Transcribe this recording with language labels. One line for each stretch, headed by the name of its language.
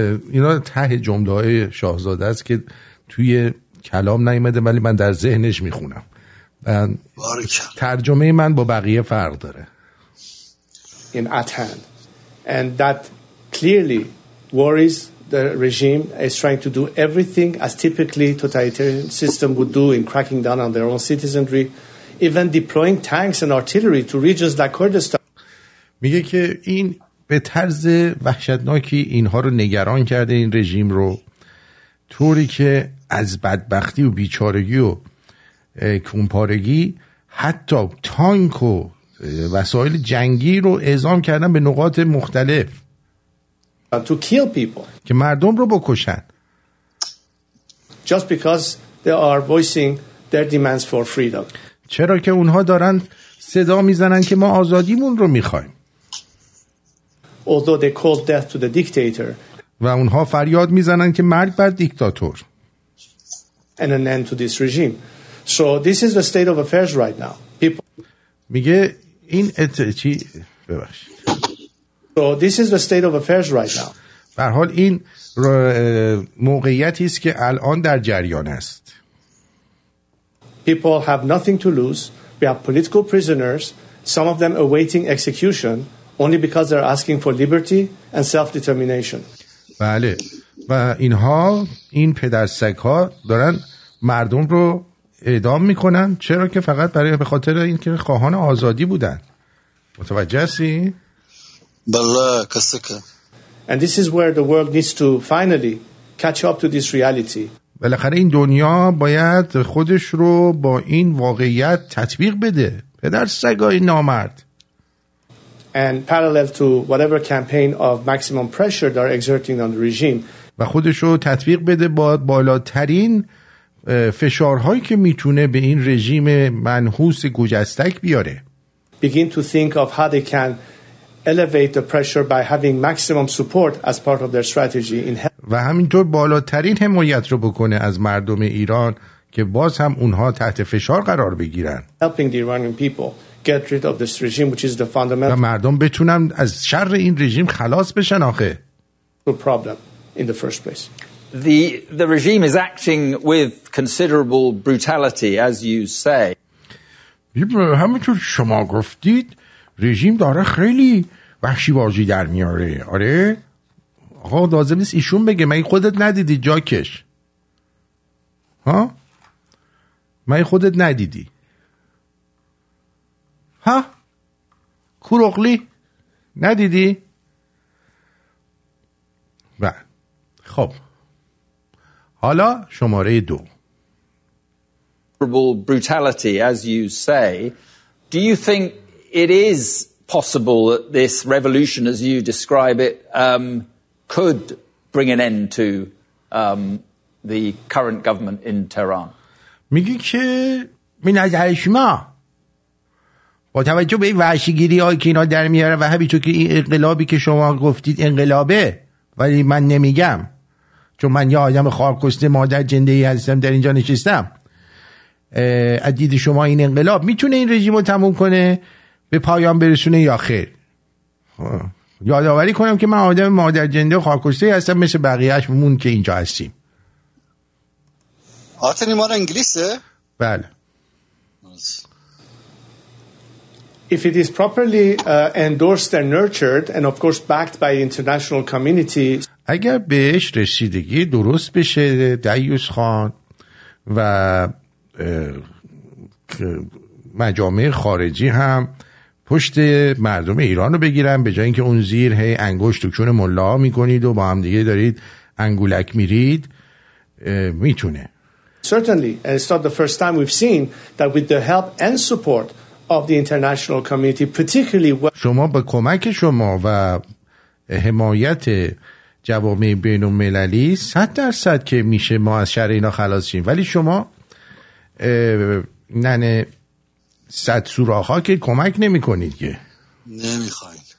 Persian: اینا ته جمله‌های شاهزاده است که توی کلام نیامده ولی من در ذهنش میخونم. ترجمه من با بقیه فرق داره.
English: In Artin. And that clearly worries the regime is trying to do everything as typically totalitarian system would do in cracking down on their own citizenry. Even deploying tanks and artillery to regions like Kurdistan.
Persian: میگه که این به طرز وحشتناکی اینها رو نگران کرده، این رژیم رو، طوری که از بدبختی و بیچارگی و کمپارگی حتی تانک و وسایل جنگی رو اعزام کردن به نقاط مختلف
English: to kill people.
Persian: که مردم رو بکشن.
English: Just because they are voicing their demands for freedom.
Persian: چرا که اونها دارن صدا میزنن که ما آزادیمون رو میخوایم.
English: Although they call death to the dictator.
Persian: و اونها فریاد میزنن که مرگ بر دیکتاتور.
English: And an end to this regime. So this is the state of affairs right now. People
Persian: میگه این چی ببخشید.
English: So this is the state of affairs right now.
Persian: به هر حال این موقعیتی است که الان در جریان است.
English: People have nothing to lose. We have political prisoners, some of them awaiting execution only because they're asking for liberty and self-determination.
Persian: بله. و اینها این پدرسگ‌ها دارن مردم رو اعدام میکنن چرا که فقط برای به خاطر اینکه خواهان آزادی بودن. متوجه هستی؟ بله کسکه.
English: And this is where the world needs to finally catch up to this reality.
Persian: بالاخره این دنیا باید خودش رو با این واقعیت تطبیق بده. پدر سگای نامرد.
English: And parallel to whatever campaign of maximum pressure they're exerting on the regime.
Persian: و خودش رو تطبیق بده با بالاترین فشارهایی که میتونه به این رژیم منحوس گوجستک بیاره.
English: Begin to think of how they can elevate the pressure by having maximum support as part of their strategy in help.
Persian: و همینطور بالاترین حمایت رو بکنه از مردم ایران که باز هم اونها تحت فشار قرار بگیرن.
English: Helping the Iranian people get rid of this regime, which is the fundamental.
Persian: و مردم بتونن از شر این رژیم خلاص بشن آخه.
English: The problem in the first place. The regime is acting with considerable brutality, as you say.
Persian: همینطور شما گفتید. رژیم داره خیلی وحشی بازی در میاره. آره آقا لازم نیست ایشون بگه، من خودت ندیدی جاکش ها، من خودت ندیدی ها، کوروغلی ندیدی. و خب حالا شماره دو،
English: brutality as you say. Do you think it is possible that this revolution, as you describe it, could bring an end to the current government in Tehran?
Persian: میگی که می نظر شما با توجه به وحشیگیری هایی که اینا در میاره و همین تو که این انقلابی که شما گفتید انقلابه، ولی من نمیگم چون من یه آدم خارکسته مادر جندهی هستم در اینجا نشستم، از دید شما این انقلاب میتونه این رژیم رو تموم کنه به پایان برسونه یا خیر؟ یادآوری کنم که من آدم مادر جنده خاکوشته هستم مثل بقیهش مون که اینجا هستیم. آرتین ما انگلیسه؟ بله.
English: If it is properly endorsed and nurtured and of course backed by international community.
Persian: اگر بهش رسیدگی درست بشه دیوس خان و مجامع خارجی هم پشت مردم ایران رو بگیرن به جای اینکه اون زیر هی انگشت و کون ملا میکنید و با هم دیگه دارید انگولک میرید، میتونه.
English: Certainly, and it's not the first time we've seen that with the help and support of the international community, particularly
Persian: شما با کمک شما و حمایت جوامع بین المللی 100% که میشه ما از شر اینا خلاص شیم، ولی شما ننه صد سوراخ ها که کمک نمی کنید که نمیخواید.